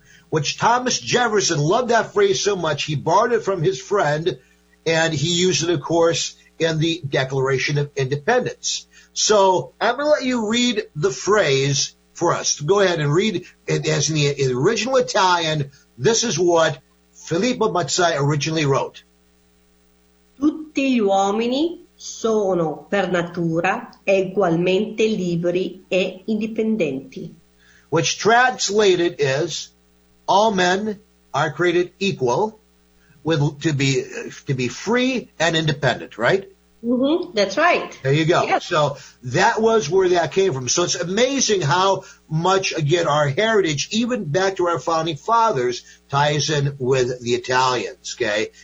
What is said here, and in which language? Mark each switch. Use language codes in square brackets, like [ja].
[en] which Thomas Jefferson loved that phrase so much, he borrowed it from his friend, and he used it, of course, in the Declaration of Independence. So I'm going to let you read the phrase for us. Go ahead and read it as in the original Italian. This is what Filippo Mazzai originally wrote. [it] Tutti gli uomini sono per natura egualmente liberi e indipendenti. [en] Which translated is, all men are created equal with to be free and independent, right? Mm-hmm, that's right. There you go. Yes. So that was where that came from. So it's amazing how much, again, our heritage, even back to our founding fathers, ties in with the Italians, okay?